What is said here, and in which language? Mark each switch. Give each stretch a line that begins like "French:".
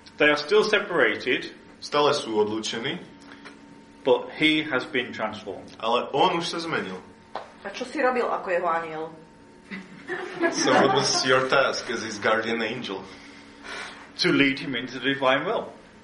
English: They are still separated.
Slovak: Stále sú odlúčení.
English: But he has been transformed.
Slovak: Ale on už sa zmenil. A čo si robil ako jeho anjel?
English: So what was your task as his guardian angel? To lead him into the divine will.